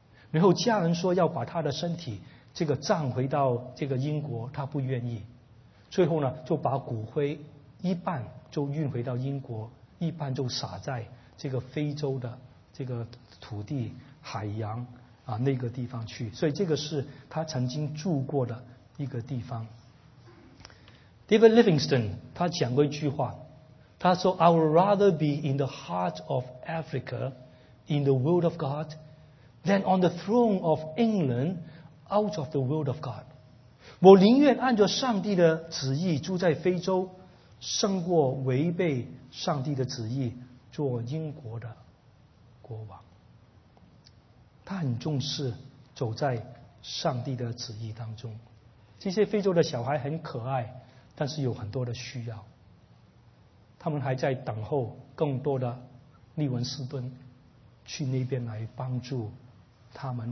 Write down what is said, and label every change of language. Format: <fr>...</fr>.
<zh>然后家人说要把他的身体这个葬回到这个英国，他不愿意，最后呢就把骨灰一半就运回到英国，一半就撒在这个非洲的这个土地海洋啊，那个地方去。所以这个是他曾经住过的一个地方。</zh> <en>David Livingstone</en> <zh>他讲过一句话，他说</zh> <en>I would rather be in the heart of Africa in the world of God than on the throne of England out of the world of God，</en> <zh>我宁愿按照上帝的旨意住在非洲，胜过违背上帝的旨意做英国的国王。他很重视走在上帝的旨意当中。这些非洲的小孩很可爱，但是有很多的需要，他们还在等候更多的利文斯敦去那边来帮助他们。</zh>